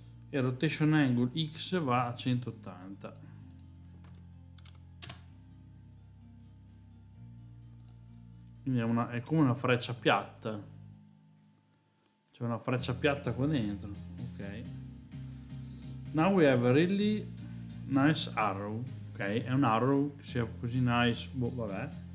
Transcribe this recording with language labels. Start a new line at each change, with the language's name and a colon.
Italian: E rotation angle X va a 180. Quindi è come una freccia piatta. C'è una freccia piatta qua dentro.
English: Ok, now we have a really nice arrow.
Italian: Ok, è un arrow che sia così nice, boh, vabbè.